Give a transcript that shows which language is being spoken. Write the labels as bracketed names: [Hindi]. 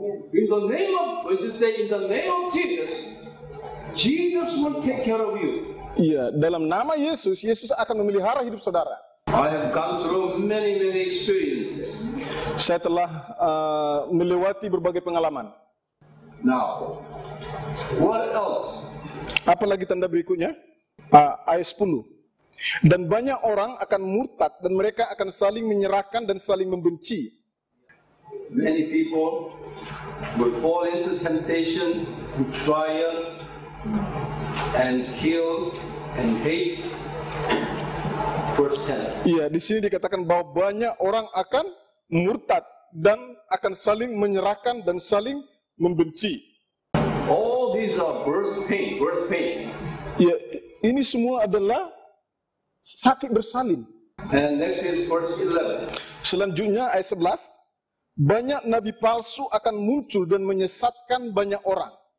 [English] In the name of Jesus will take care of you. [Indonesian] Iya, dalam nama Yesus, Yesus akan memelihara hidup saudara. [English] I have gone through many experiences. [Indonesian] Saya telah melewati berbagai pengalaman. [English] Now, what else? [Indonesian] Apalagi tanda berikutnya? Ayat 10. Dan banyak orang akan murtad dan mereka akan saling menyerahkan dan saling membenci. [English] Many people will fall into temptation, trial, and kill and hate. [Indonesian] Iya, di sini dikatakan bahwa banyak orang akan murtad dan akan saling menyerahkan dan saling membenci. [English] All these are birth pain. [Indonesian] Iya, ini semua adalah sakit bersalin. [English] And next is verse 11. [Indonesian] Selanjutnya ayat 11, banyak nabi palsu akan muncul dan menyesatkan banyak orang.